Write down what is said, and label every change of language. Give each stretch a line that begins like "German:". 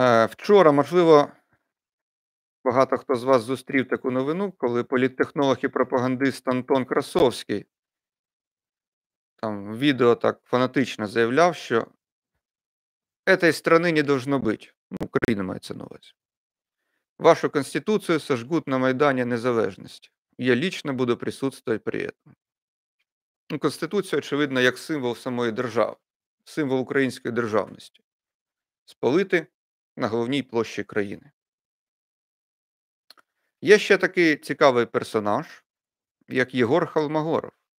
Ukrainian: Вчора, можливо, багато хто з вас зустрів таку новину, коли політтехнолог і пропагандист Антон Красовський там в відео так фанатично заявляв, що
Russian: «Этой страны не должно быть».
Ukrainian: Україна мається на увазі. «Вашу конституцію сожгут на Майдані Незалежності.
Russian: Я лично буду присутствовать при этом».
Ukrainian: Конституція, очевидно, як символ самої держави, символ української державності. Спалити на головній площі країни. Є ще такий цікавий персонаж, як Єгор Холмогоров.